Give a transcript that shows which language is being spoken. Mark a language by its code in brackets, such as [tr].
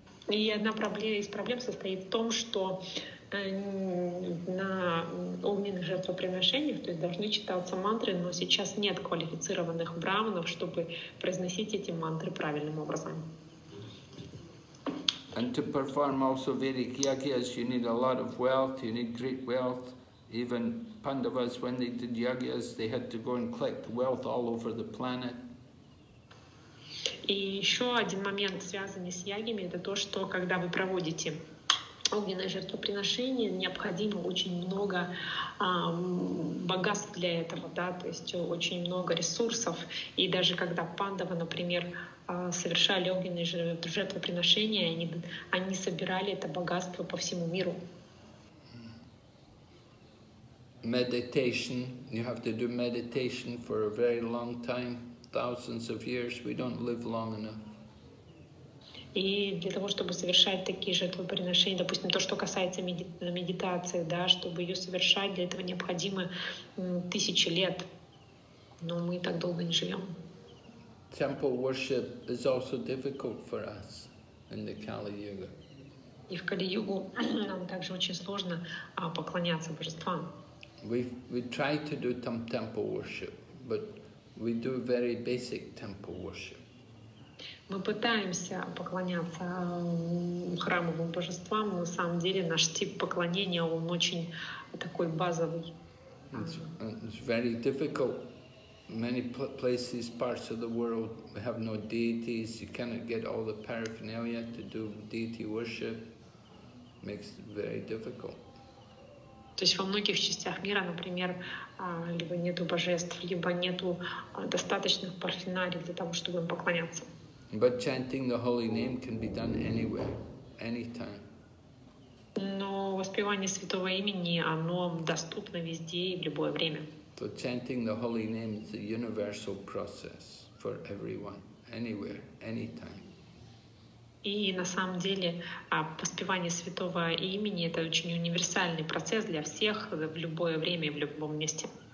[ru] И одна проблема из проблем состоит в том, что на огненных жертвоприношениях, то есть должны читаться мантры, но сейчас нет квалифицированных брахманов, чтобы произносить эти мантры правильным образом. [en] And to perform also Vedic yagyas, you need a lot of wealth, you need great wealth. Even Pandavas, when they did yagyas, they had to go and collect wealth all over the planet. [ru] И еще один момент, связанный с ягьями, это то, что когда вы проводите огненное жертвоприношение, необходимо очень много богатств для этого, да, то есть очень много ресурсов. И даже когда Пандавы, например, совершали огненное жертвоприношение, они собирали это богатство по всему миру. [en] Meditation, you have to do meditation for a very long time. Thousands of years, we don't live long enough. [ru] И для того, чтобы совершать такие жертвоприношения, допустим, то, что касается медитации, да, чтобы ее совершать, для этого необходимы тысячи лет. Но мы так долго не живем. [en] Temple worship is also difficult for us in the Kali Yuga. [ru] И в Кали-Югу нам также очень сложно поклоняться божествам. [en] We try to do some temple worship, but we do very basic temple worship. [ru] Мы пытаемся поклоняться храмовым божествам, но на самом деле наш тип поклонения, он очень такой базовый. [en] It's very difficult. Many places, parts of the world, we have no deities. You cannot get all the paraphernalia to do deity worship. Makes it very difficult. [ru] То есть во многих частях мира, например, либо нету божеств, либо нету достаточных парфенарий для того, чтобы им поклоняться. [en] But chanting the holy name can be done anywhere, anytime. [ru] Но воспевание святого имени, оно доступно везде и в любое время. [en] В So chanting the holy name is a universal process for everyone, anywhere, anytime. [ru] И на самом деле, поспевание святого имени — это очень универсальный процесс для всех в любое время и в любом месте.